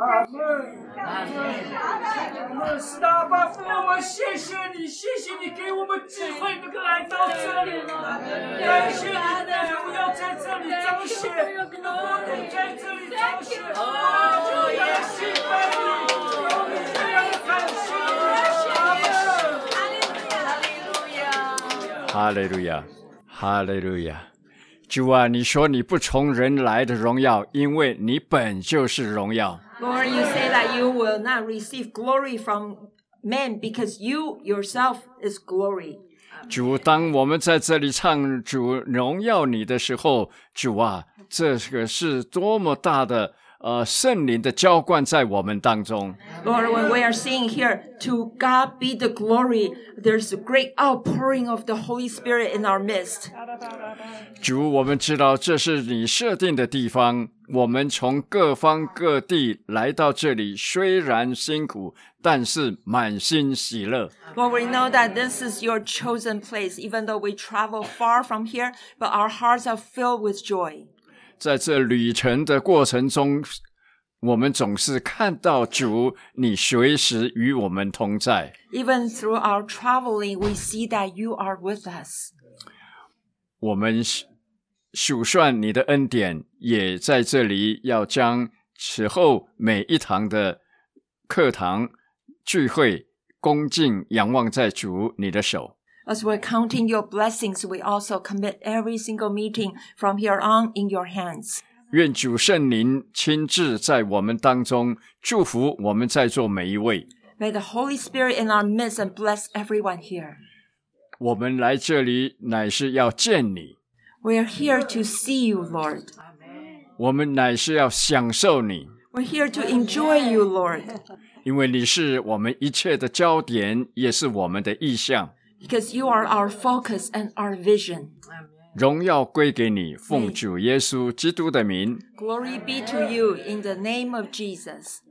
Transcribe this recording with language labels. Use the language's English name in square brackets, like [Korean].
[Chinese] 阿们，是的，阿爸父，我们谢谢你，谢谢你给我们机会能够来到这里了，感谢你的荣耀在这里彰显，你的国度在这里彰显，我们要敬拜你，有你这样的感谢，阿们，哈利路亚，哈利路亚，哈利路亚。主啊，你说你不从人来的荣耀，因为你本就是荣耀。 [English] Lord, you say that you will not receive glory from men because you yourself is glory. [Chinese] 主，当我们在这里唱主荣耀你的时候，主啊，这个是多么大的圣灵的浇灌在我们当中。 [English] Lord, when we are singing here, to God be the glory, there's a great outpouring of the Holy Spirit in our midst. [Chinese] 主，我们知道这是你设定的地方，我们从各方各地来到这里，虽然辛苦，但是满心喜乐。 [English] Lord, we know that this is your chosen place, even though we travel far from here, but our hearts are filled with joy. [Chinese] 在这旅程的过程中，我们总是看到主，你随时与我们同在。 [English] Even through our traveling, we see that you are with us. [Chinese] 我们数算你的恩典，也在这里要将此后每一堂的课堂聚会恭敬仰望在主你的手。 [English] As we're counting your blessings, we also commit every single meeting from here on in your hands. [Chinese] 愿主圣灵亲自在我们当中祝福我们在座每一位。 [English] May the Holy Spirit in our midst and bless everyone here. [Chinese] 我们来这里乃是要见你。 [English] We are here to see you, Lord. [Chinese] 我们乃是要享受你。 [English] We're here to enjoy you, Lord. [Chinese] 因为你是我们一切的焦点，也是我们的意向。 [English] Because you are our focus and our vision. [Chinese] 荣耀归给你，奉主耶稣基督的名。 [English] Glory be to you in the name of Jesus.